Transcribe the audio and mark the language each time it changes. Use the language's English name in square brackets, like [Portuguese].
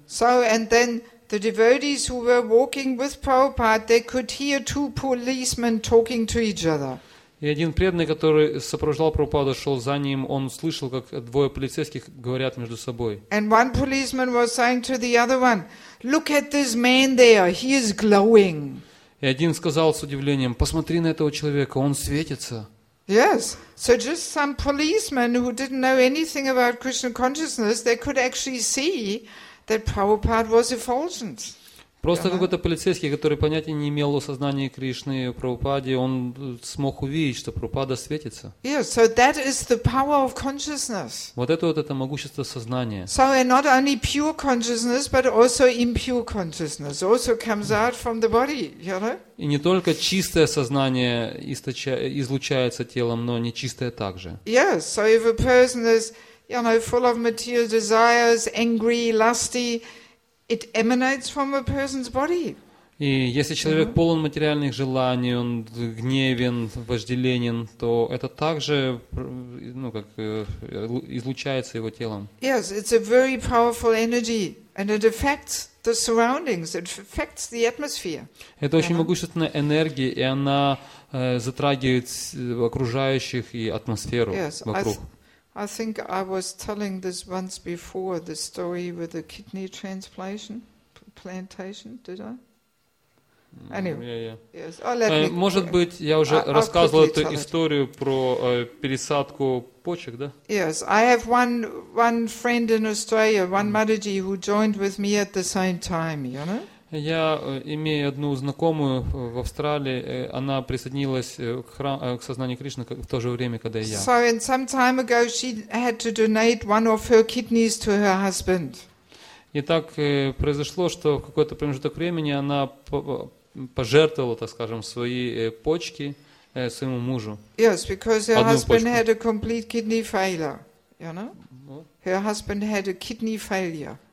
[English] So, and then the devotees who were walking with Prabhupada, they could hear two policemen talking to each other. [Russian] И один преданный, который сопровождал Прабхупада, шел за ним, он слышал, как двое полицейских говорят между собой. [English] And one policeman was saying to the other one, look at this man there, he is glowing. [Russian] И один сказал с удивлением: «Посмотри на этого человека, он светится». [English] Yes, so just some policemen who didn't know anything about Krishna consciousness, they could actually see that Prabhupada was effulgent. [Russian] Просто какой-то полицейский, который понятия не имел о сознании Кришны и Прабхупаде, он смог увидеть, что Прабхупада светится. [English] Yes, so that is the power of consciousness. [Russian] Вот это вот это могущество сознания. [English] So not only pure consciousness, but also impure consciousness also comes out from the body, you know? [Russian] И не только чистое сознание излучается телом, но нечистое также. [English] Yes, so if a person is, you know, full of material desires, angry, lusty, it emanates from a person's body. [Russian] И если человек полон материальных желаний, он гневен, вожделенен, то это также, ну, как излучается его телом. [English] Yes, it's a very powerful energy and it affects the surroundings, it affects the atmosphere. [Russian] Это очень могущественная энергия, и она затрагивает окружающих и атмосферу вокруг. [English] I think I was telling this once before, the story with the kidney transplantation, did I? [Russian] Может быть, я уже рассказывал эту историю про пересадку почек, да? [English] Yes, I have one friend in Australia, one Mataji, who joined with me at the same time, you know? [Russian] Я имею одну знакомую в Австралии, она присоединилась к сознанию Кришны в то же время, когда и я. [English] So, and some time ago she had to donate one of her kidneys to her husband. [Russian] И так произошло, что в какой-то промежуток времени она пожертвовала, так скажем, свои почки своему мужу. [English] Yes, because her husband had a complete kidney failure, you know? Her husband had a kidney failure.